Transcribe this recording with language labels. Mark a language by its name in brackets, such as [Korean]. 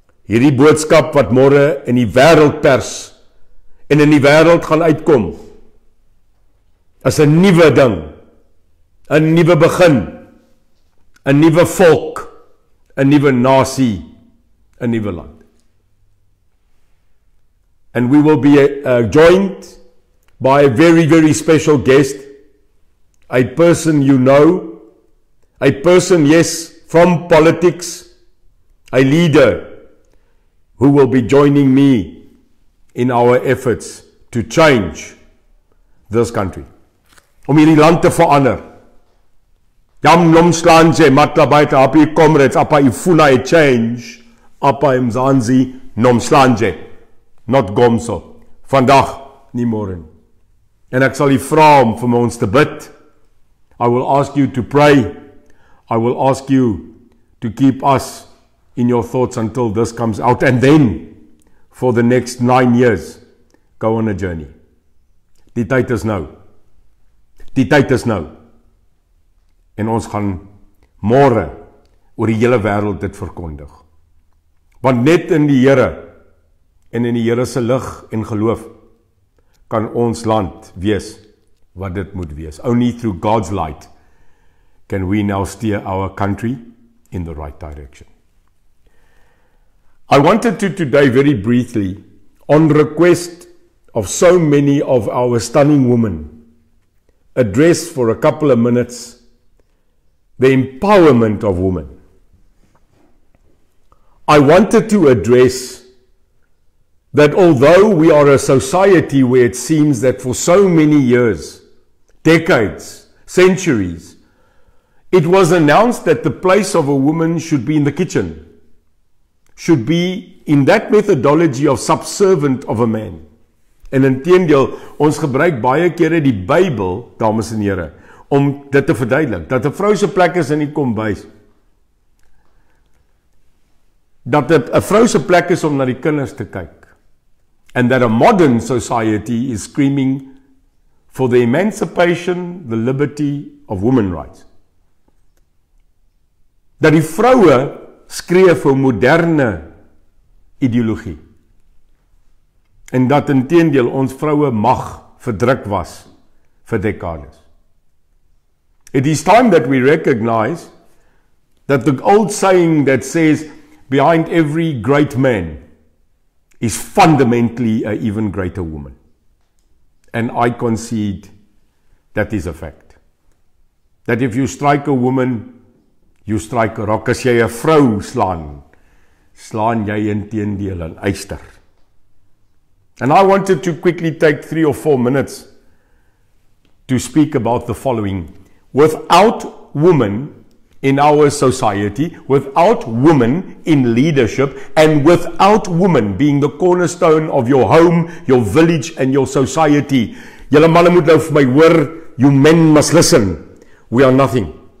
[Afrikaans] Hierdie boodskap wat môre in die wêreldpers en in die wêreld gaan uitkom, is 'n nuwe ding, 'n nuwe begin, 'n nuwe volk, 'n nuwe nasie, 'n nuwe land. [English] And we will be joined by a very, very special guest, a person you know, a person, yes, from politics, a leader, who will be joining me in our efforts to change this country. [Afrikaans] Om hierdie land te verander. Jam Nomslanje, Matlabaita, Api Comrades, Apa Ifuna e Change, Apa Mzanzi, Nomslanje, not Gomso. Vandag, nie môre. En ek sal u vra om vir ons te bid. [English] I will ask you to pray. I will ask you to keep us in your thoughts until this comes out, and then for the next 9 years, go on a journey. [Afrikaans] Die tyd is nou. Die tyd is nou. En ons gaan môre oor die hele wêreld dit verkondig. Want net in die Here en in die Here se lig en geloof kan ons land wees wat dit moet wees. [English] Only through God's light can we now steer our country in the right direction. I wanted to today very briefly, on request of so many of our stunning women, address for a couple of minutes the empowerment of women. I wanted to address that although we are a society where it seems that for so many years, decades, centuries, it was announced that the place of a woman should be in the kitchen, should be in that methodology of subservient of a man. [Afrikaans] En intendeel, ons gebruik baie kere die Bybel, dames en here, om dit te verduidelik, dat 'n vrou se plek is in die kombuis. Dat 'n vrou se plek is om na die kinders te kyk. [English] And that a modern society is screaming for the emancipation, the liberty of women rights. [Afrikaans] Dat die vroue skree vir moderne ideologie. En dat intedeel ons vroue mag verdruk was vir dekades. [English] It is time that we recognize that the old saying that says behind every great man is fundamentally an even greater woman. And I concede that is a fact. That if you strike a woman, you strike a rock. [Afrikaans] As jy 'n vrou slaan, slaan jy intedeel 'n yster. [English] And I wanted to quickly take 3 or 4 minutes to speak about the following. Without women in our society, without women in leadership, and without women being the cornerstone of your home, your village, and your society, [Afrikaans] julle manne moet nou vir my hoor, [English] you men must listen. We are nothing.